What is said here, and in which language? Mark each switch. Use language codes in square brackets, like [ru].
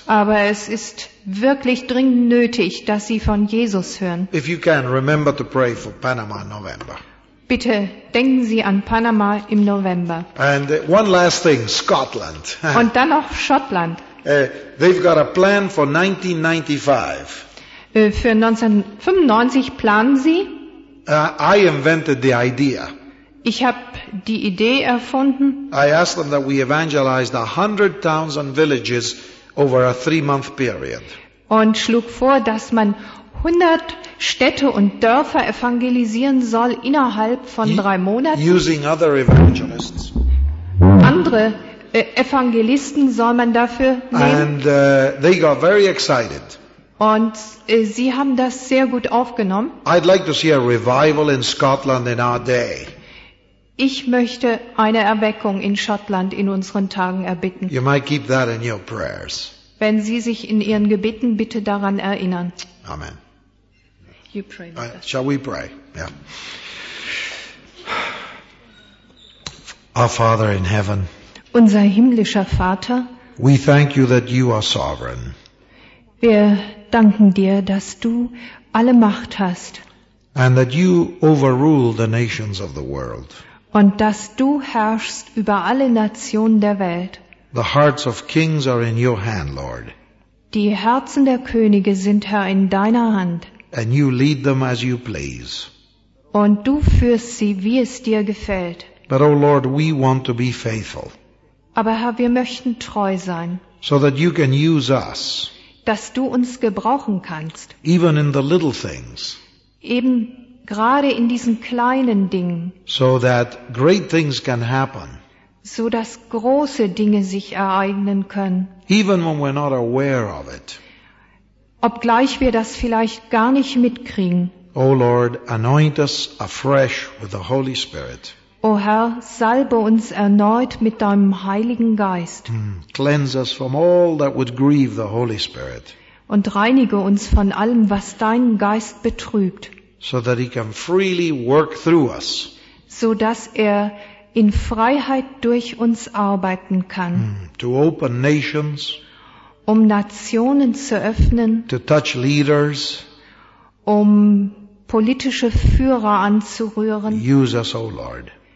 [de] Aber es ist wirklich dringend nötig, dass sie von Jesus hören. [en] If you can, remember to pray for Panama in November. [de] Bitte denken Sie an Panama im November. [en] And one last thing, Scotland. [de] Und dann noch Schottland. [en] They've got a plan for 1995. [de] Für 1995 planen Sie? [en] I invented the idea. [de] Ich habe die Idee erfunden. [en] I asked them that we evangelized 100 towns and villages over a 3-month period. [de] Und schlug vor, dass man 100 Städte und Dörfer evangelisieren soll innerhalb von 3 Monaten. [en] Using other evangelists. [de] Andere Evangelisten soll man dafür nehmen. [en] And they got very excited. [de] Und sie haben das sehr gut aufgenommen. [en] I'd like to see a revival in Scotland in our day. [de] Ich möchte eine Erweckung in Schottland in unseren Tagen erbitten. [en] You might keep that in your prayers. [de] Wenn Sie sich in Ihren Gebeten bitte daran erinnern. [en] Amen. You pray with us. Shall we pray? Yeah. Our Father in heaven. [de] Unser himmlischer Vater. [en] We thank you that you are sovereign. [de] Wir danken dir, dass du alle Macht hast. [en] And that you overrule the nations of the world. [de] Und dass du herrschst über alle Nationen der Welt. [en] The hearts of kings are in your hand, Lord. [de] Die Herzen der Könige sind, Herr, in deiner Hand. [en] And you lead them as you please. [de] Und du führst sie, wie es dir gefällt. [en] But, O Lord, we want to be faithful. [de] Aber, Herr, wir möchten treu sein. [en] So that you can use us. [de] Dass du uns gebrauchen kannst. [en] Even in the little things. [de] Eben gerade in diesen kleinen Dingen. [en] So that great things can happen. [de] So dass große Dinge sich ereignen können. [en] Even when we're not aware of it. [de] Obgleich wir das vielleicht gar nicht mitkriegen. [en] O Lord, anoint us afresh with the Holy Spirit. [de] O Herr, salbe uns erneut mit deinem Heiligen Geist. [en] Cleanse us from all that would grieve the Holy Spirit. [de] Und reinige uns von allem, was deinen Geist betrübt. [en] So that he can freely work through us. [de] So dass er in Freiheit durch uns arbeiten kann. [en] To open nations. [de] Um Nationen zu öffnen. [en] To touch leaders. [de] Um politische Führer anzurühren. [en] Use us, O Lord.